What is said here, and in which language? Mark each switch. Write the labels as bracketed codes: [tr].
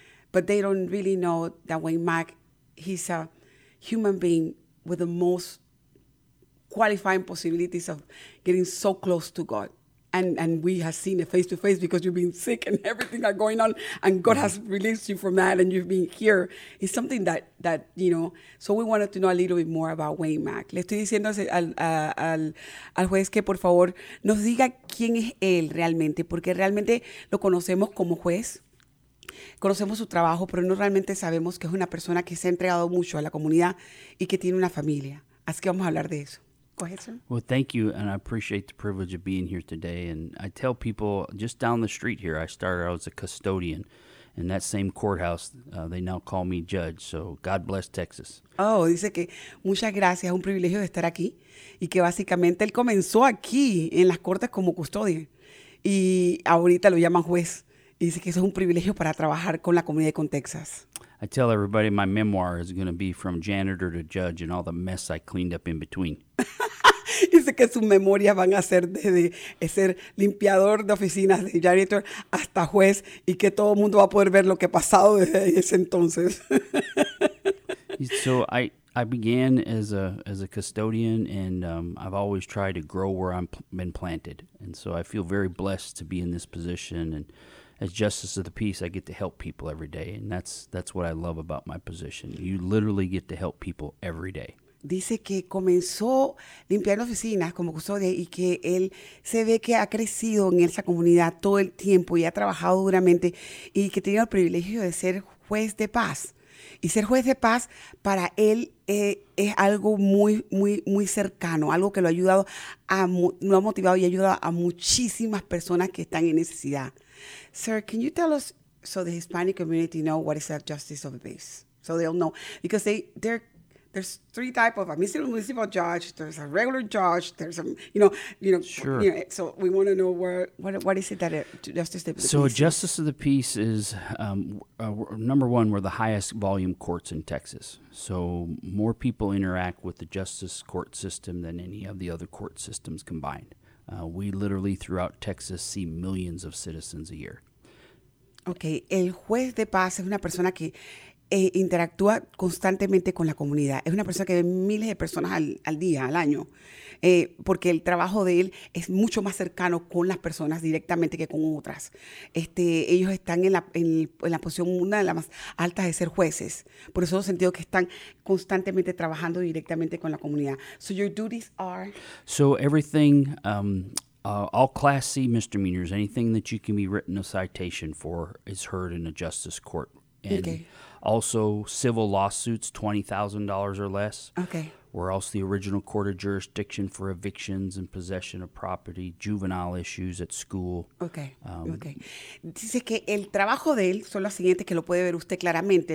[en] But they don't really know that Wayne Mack, he's a human being with the most qualifying possibilities of getting so close to God. And we have seen it face to face, because you've been sick and everything are going on, and God has released you from that, and you've been here. It's something that you know. So we wanted to know a little bit more about Wayne Mack. [es] Le estoy diciendo al juez que por favor nos diga quién es él realmente, porque realmente lo conocemos como juez. Conocemos su trabajo, pero no realmente sabemos que es una persona que se ha entregado mucho a la comunidad y que tiene una familia. Así que vamos a hablar de eso. [en] Well, thank you, and I appreciate the privilege of being here today. And I tell people just down the street here, I was a custodian in that same courthouse. They now call me judge, so God bless Texas. [es] Oh, dice que muchas gracias, un privilegio de estar aquí, y que básicamente él comenzó aquí en las cortes como custodian, y ahorita lo llaman juez, y dice que eso es un privilegio para trabajar con la comunidad y con Texas. [en] I tell everybody my memoir is going to be from janitor to judge and all the mess I cleaned up in between. [es] Dice que sus memorias van a ser de ser limpiador de oficinas, de janitor, hasta juez, y que todo el mundo va a poder ver lo que ha pasado desde ese entonces. [en] So I began as a custodian, and I've always tried to grow where I've been planted. And so I feel very blessed to be in this position. And as justice of the peace, I get to help people every day. And that's what I love about my position. You literally get to help people every day. [es] Dice que comenzó limpiando oficinas como custodia, y que él se ve que ha crecido en esa comunidad todo el tiempo y ha trabajado duramente, y que tiene el privilegio de ser juez de paz. Y ser juez de paz para él es algo muy, muy, muy cercano, algo que lo ha motivado y ha ayudado a muchísimas personas que están en necesidad. [en] Sir, can you tell us, so the Hispanic community know what is a justice of the peace? So they'll know, because there's three types of a municipal judge, there's a regular judge, there's a, sure. You know, so we want to know what is it that justice of the peace is? So justice of the peace is, number one, we're the highest volume courts in Texas. So more people interact with the justice court system than any of the other court systems combined. We literally throughout Texas see millions of citizens a year. [es] Okay, el juez de paz es una persona que interactúa constantemente con la comunidad. Es una persona que ve miles de personas al día, al año, porque el trabajo de él es mucho más cercano con las personas directamente que con otras. Ellos están en la posición, una de las más altas, de ser jueces. Por eso he sentido que están constantemente trabajando directamente con la comunidad. [en] So your duties are? So everything, all Class C misdemeanors, anything that you can be written a citation for is heard in a justice court. And okay. Also, civil lawsuits, $20,000 or less. Okay. We're also the original court of jurisdiction for evictions and possession of property, juvenile issues at school. Okay. Okay. [es] Dice que el trabajo de él son los siguientes, que lo puede ver usted claramente.